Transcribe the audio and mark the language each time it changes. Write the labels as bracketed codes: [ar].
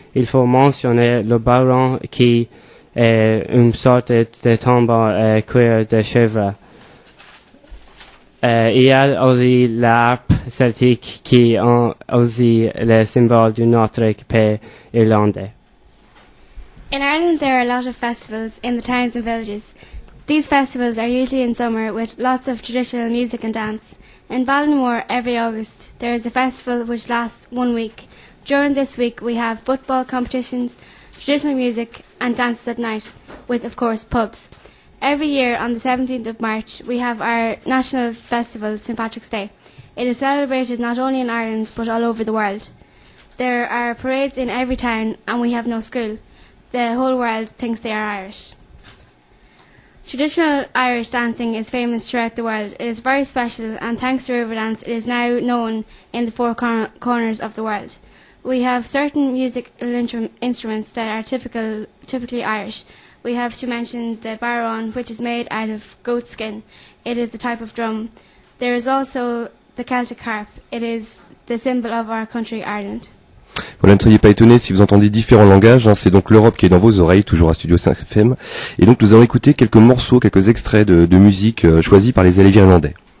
[fr] Il faut mentionner le baron qui est une sorte de tambour et cuir de chèvre. Il y a aussi l'harpe celtique qui est aussi le symbole de notre paix irlandais. [en] In Ireland, there are a lot of festivals in the towns and villages. These festivals are usually in summer with lots of traditional music and dance. In Ballinamore, every August, there is a festival which lasts 1 week. During this week, we have football competitions, traditional music and dances at night, with, of course, pubs. Every year, on the 17th of March, we have our national festival, St. Patrick's Day. It is celebrated not only in Ireland, but all over the world. There are parades in every town, and we have no school. The whole world thinks they are Irish. Traditional Irish dancing is famous throughout the world. It is very special, and thanks to Riverdance, it is now known in the four corners of the world. We have certain musical instruments that are typically Irish. We have to mention the barón, which is made out of goat skin. It is the type of drum. There is also the Celtic harp. It is the symbol of our country, Ireland. [fr] Voilà, ne soyez pas étonnés si vous entendez différents langages, hein, c'est donc l'Europe qui est dans vos oreilles, toujours à Studio 5FM. Et donc nous allons écouter quelques morceaux, quelques extraits de musique choisis par les élèves irlandais.